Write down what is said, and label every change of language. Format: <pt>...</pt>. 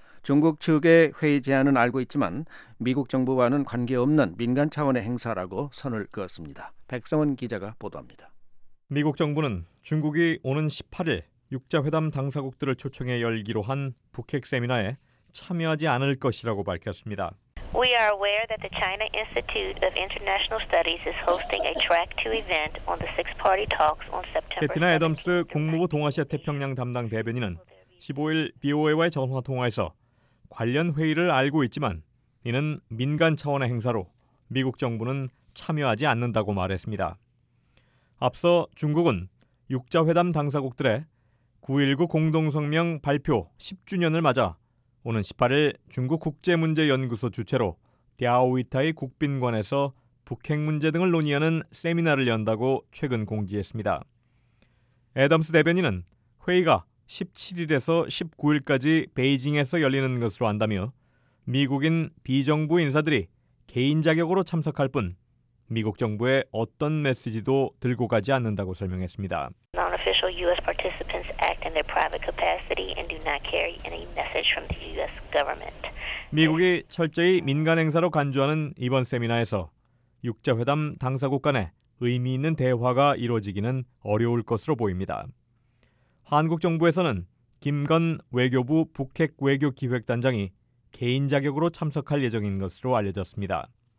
<ko>중국 측의 회의 제안은 알고 있지만 미국 정부와는 관계없는 민간 차원의 행사라고 선을 그었습니다. 백성원 기자가 보도합니다. 미국 정부는 중국이 오는 18일 육자회담 당사국들을 초청해 열기로 한 북핵 세미나에 참여하지 않을 것이라고 밝혔습니다.</ko> <en>We are aware that the China Institute of International Studies is hosting a track to event on the six-party talks on September</en> <ko>캐티나 애덤스 국무부 동아시아 태평양 담당 대변인은 15일 BOA와의 전화 통화에서 관련 회의를 알고 있지만 이는 민간 차원의 행사로 미국 정부는 참여하지 않는다고 말했습니다. 앞서 중국은 6자회담 당사국들의 9.19 공동성명 발표 10주년을 맞아 오는 18일 중국 국제문제연구소 주최로 랴오위타이 국빈관에서 북핵 문제 등을 논의하는 세미나를 연다고 최근 공지했습니다. 애덤스 대변인은 회의가 17일에서 19일까지 베이징에서 열리는 것으로 안다며 미국인 비정부 인사들이 개인 자격으로 참석할 뿐 미국 정부의 어떤 메시지도 들고 가지 않는다고 설명했습니다.</ko> <en>Non-official U.S. participants act in their private capacity and do not carry any message from the U.S. government.</en> <ko>미국이 철저히 민간 행사로 간주하는 이번 세미나에서 6자회담 당사국 간의 의미 있는 대화가 이루어지기는 어려울 것으로 보입니다. 한국 정부에서는 김건 외교부 북핵 외교기획단장이 개인 자격으로 참석할 예정인 것으로 알려졌습니다.</ko>